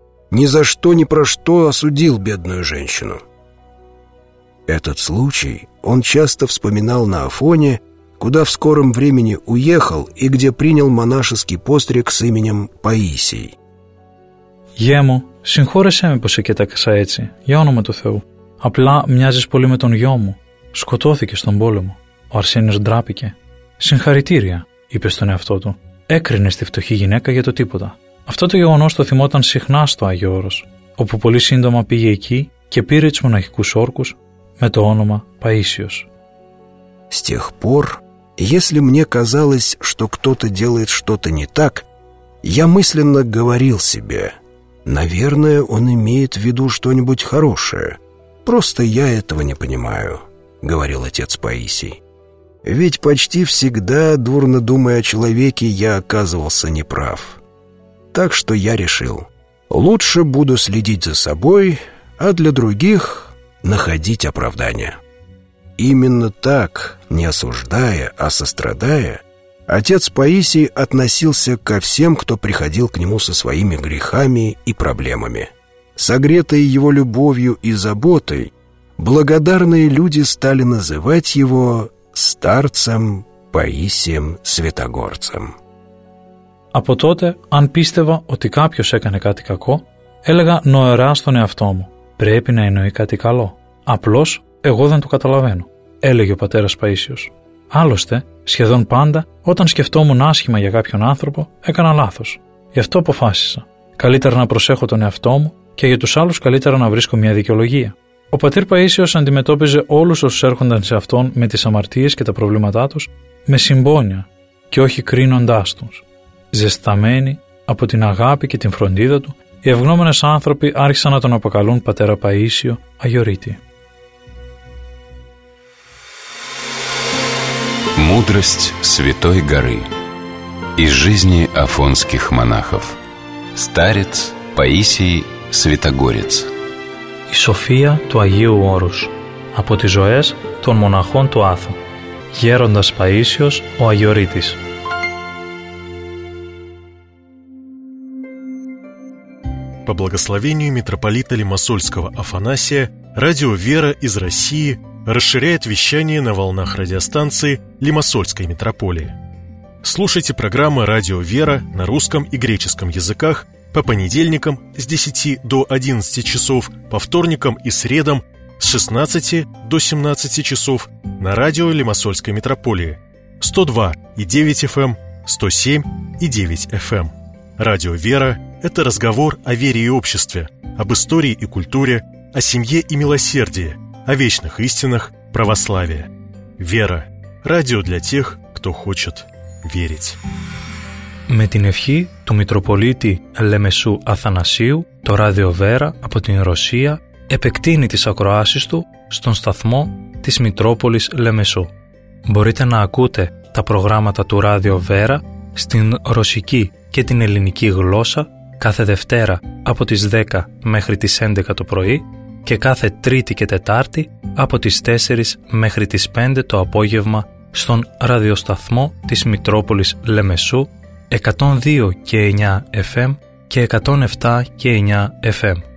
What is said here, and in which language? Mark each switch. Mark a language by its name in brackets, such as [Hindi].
[Russian] «Ни за что, ни про что осудил бедную женщину». Этот случай он часто вспоминал на Афоне, куда в скором времени уехал и где принял монашеский постриг с именем Паисий. [Greek] «Γιέ μου, συγχώρεσέ με που σε κοίταξα έτσι, για όνομα του Θεού. Απλά μοιάζεις πολύ με τον γιο μου. Σκοτώθηκε στον πόλεμο». Ο Αρσένιος ντράπηκε. «Συγχαρητήρια», είπε στον εαυτό του. Έκρινε στη φτωχή γυναίκα για το τίποτα. Αυτό το γεγονός το θυμόταν συχνά στο Άγιο Όρος, όπου πολύ σύντομα πήγε εκεί και πήρε τους μοναχικούς όρκους με το όνομα Παΐσιος. [Russian] С тех пор Если мне казалось, что кто-то делает что-то не так, я мысленно говорил себе: «Наверное, он имеет в виду что-нибудь хорошее. Просто я этого не понимаю», — говорил отец Паисий. «Ведь почти всегда, дурно думая о человеке, я оказывался неправ. Так что я решил: лучше буду следить за собой, а для других — находить оправдание». Именно так, не осуждая, а сострадая, отец Паисий относился ко всем, кто приходил к нему со своими грехами и проблемами. Согретые его любовью и заботой, благодарные люди стали называть его старцем Паисием Святогорцем. [Greek] Από τότε, αν πίστευα ότι κάποιος έκανε κάτι κακό, έλεγα νοερά στον εαυτό μου: «Πρέπει να εννοεί κάτι καλό. Απλώς εγώ δεν το καταλαβαίνω», έλεγε ο πατέρας Παΐσιος. Άλλωστε, σχεδόν πάντα, όταν σκεφτόμουν άσχημα για κάποιον άνθρωπο, έκανα λάθος. Γι' αυτό αποφάσισα: καλύτερα να προσέχω τον εαυτό μου και για τους άλλους καλύτερα να βρίσκω μια δικαιολογία. Ο πατήρ Παΐσιος αντιμετώπιζε όλους όσους έρχονταν σε αυτόν με τις αμαρτίες και τα προβλήματά τους με συμπόνια και όχι κρίνοντάς τους. Ζεσταμένοι από την αγάπη και την φροντίδα του, οι ευγνώμονες άνθρωποι άρχισαν να τον αποκαλούν πατέρα Παΐσιο Αγιορείτη. [Russian] Мудрость Святой Горы из жизни афонских монахов. Старец Паисий Святогорец. [Greek] Η Σοφία του Αγίου Όρους από τις ζωές των μοναχών του Άθου. Γέροντας Παΐσιος ο Αγιορείτης. [Russian] По благословению митрополита Лимассольского Афанасия, радио «Вера» из России расширяет вещание на волнах радиостанции Лимассольской митрополии. Слушайте программы «Радио Вера» на русском и греческом языках по понедельникам с 10 до 11 часов, по вторникам и средам с 16 до 17 часов на радио Лимассольской митрополии 102,9 FM, 107,9 FM. Радио «Вера» — это разговор о вере и обществе, об истории и культуре, о семье и милосердии, о вечных истинах православия. Вера. Радио для тех, кто хочет верить. [Greek] Με την ευχή του Μητροπολίτη Λεμεσού Αθανασίου, το Ράδιο Βέρα από την Ρωσία επεκτείνει τις ακροάσεις του στον σταθμό της Μητρόπολης Λεμεσού. Μπορείτε να ακούτε τα προγράμματα του Ράδιο Βέρα στην ρωσική και την ελληνική γλώσσα κάθε Δευτέρα από τις 10 μέχρι τις 11 το πρωί και κάθε Τρίτη και Τετάρτη από τις 4 μέχρι τις 5 το απόγευμα στον ραδιοσταθμό της Μητρόπολης Λεμεσού 102 και 9 FM και 107 και 9 FM.